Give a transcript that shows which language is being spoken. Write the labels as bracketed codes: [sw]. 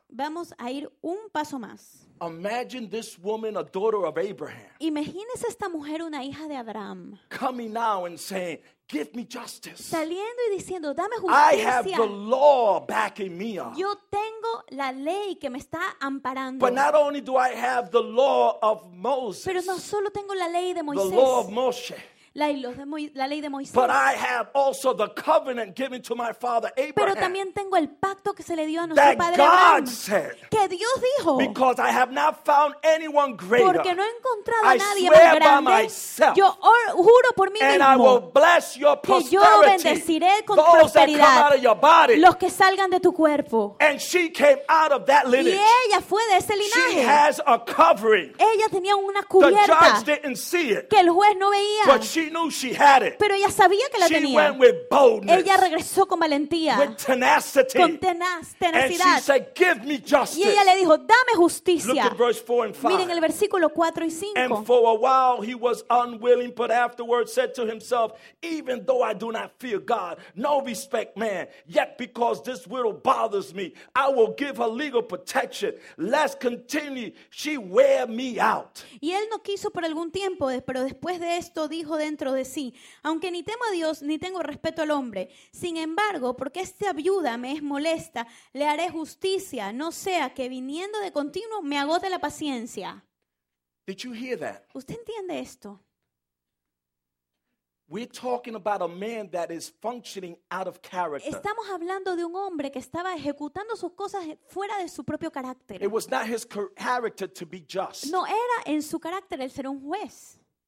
[es] Vamos a ir un paso más. [en] Imagine this woman, a daughter of Abraham. [es] Imagínese esta mujer, una hija de Abraham. [en] Coming now and saying, give me justice. [es] Saliendo y diciendo, dame justicia. [en] I have the law backing me up. [es] Yo tengo la ley que me está amparando. [en] But not only do I have the law of Moses. [es] Pero no solo tengo la ley de Moisés. [en] The law of Moshe. [es] La ley de Moisés. [en] But I have also the covenant given to my father Abraham. [es] Pero también tengo el pacto que se le dio a nuestro [en] that [es] padre [en] God [es] Abraham. [en] Said, [es] que Dios dijo. [en] Because I have not found anyone greater. [es] Porque no he encontrado [en] I [es] a nadie más grande. Yo juro por mí [en] and [es] mismo. [en] And I will bless your prosperity. [es] Que yo bendeciré con tu prosperidad. [en] Those that come out of your body. [es] Los que salgan de tu cuerpo. [en] And she came out of that lineage. [es] Y ella fue de ese linaje. [en] She has a covering. [es] Ella tenía una cubierta. [en] The judge didn't see it. [es] Que el juez no veía. [en] But she knew she had it. [es] Pero ella sabía que la [en] she [es] tenía. [en] Went with boldness, [es] ella regresó con valentía. [en] With tenacity, [es] con tenacidad. [en] And she said, give me justice. [es] Y ella le dijo, dame justicia. [en] Look at verse 4 and 5. [es] Miren el versículo 4 y 5. [en] And for a while he was unwilling, but afterwards said to himself, even though I do not fear God, no respect man, yet because this widow bothers me, I will give her legal protection, lest continually she wear me out. [es] Y él no quiso por algún tiempo, pero después de esto dijo, dentro de sí. Aunque ni temo a Dios, ni tengo respeto al hombre. Sin embargo, porque esta viuda me es molesta, le haré justicia, no sea que viniendo de continuo me agote la paciencia. [en] Did you hear that? [es] ¿Usted entiende esto? [en] We're talking about a man that is functioning out of character. [es] Estamos hablando de un hombre que estaba ejecutando sus cosas fuera de su propio carácter. [en] It was not his character to be just. [es] No era en su carácter el ser un juez.